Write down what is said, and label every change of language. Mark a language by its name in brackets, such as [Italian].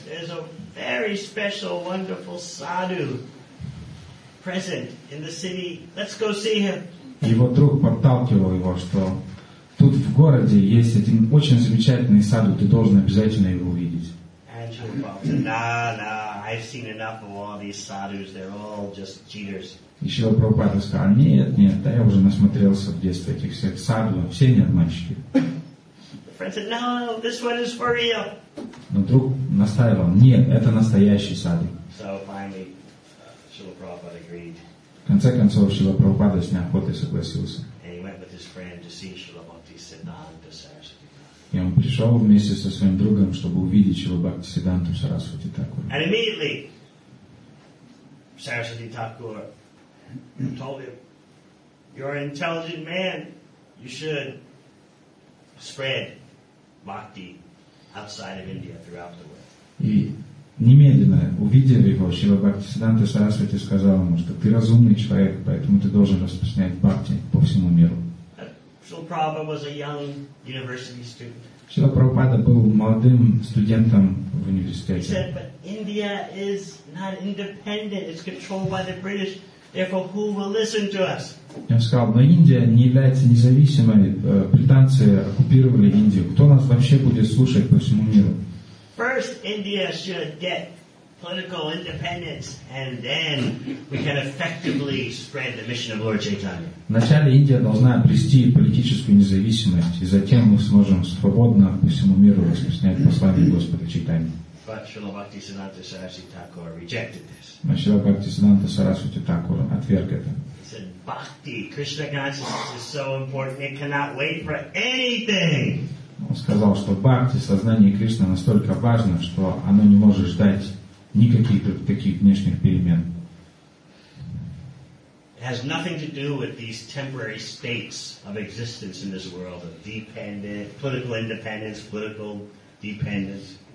[English] There's a very special, wonderful sadhu present in the city. Let's go see him. [Russian] Его друг подталкивал его, что тут в городе есть один очень замечательный саду, ты должен обязательно его увидеть. [English] And said, nah, I've seen enough of all these sadhus. They're all just cheaters. [Russian] Еще Прабхупада сказал, нет, да я уже насмотрелся в детстве этих всех садху, все не обманщики. [English] Said, no, this one is for real. [Russian] Но друг настаивал, нет, это настоящий саду. [English] So finally, Шрила Прабхупада agreed. [Russian] В конце концов, Шрила Прабхупада с неохотой согласился. [English] And he went with his friend to see Шрила Бхакти Сиддханта Сарасвати. [Russian] И он пришел вместе со своим другом, чтобы увидеть Шрила Бхакти Сиддханту Сарасвати Такур. [English] And immediately, Сарасвати Такур told him, you're an intelligent man, you should spread bhakti outside of India throughout the world. [Russian] И немедленно, увидев его, Шрила Бхакти Сиддханта Сарасвати сказал ему, что ты разумный человек, поэтому ты должен распространять бхакти по всему миру. [English] Шрила Прабхупада was a young university student. [Russian] Шрила Прабхупада был молодым студентом в университете. [English] He said, but India is not independent, it's controlled by the British. Therefore, who will listen to us? [Russian] Я сказал, но Индия не является независимой. Британцы оккупировали Индию. Кто нас вообще будет слушать по всему миру? [English] First, India should get political independence, and then we can effectively spread the mission of Lord Chaitanya. [Russian] Вначале Индия должна обрести политическую независимость, и затем мы сможем свободно по всему миру распространять послание Господа Чайтаньи. [English] But Srila Bhakti Siddhanta Sarasvati Thakur rejected this. [Russian] Но Шрила Бхакти Сиддханта Сарасвати Такур отверг это. [English] He said, "Bhakti, Krishna consciousness is so important; it cannot wait for anything." [Russian] Он сказал, что бхакти, сознание Кришны, настолько важно, что оно не может ждать никаких таких внешних перемен. [English] It has nothing to do with these temporary states of existence in this world of dependent political independence, political dependence.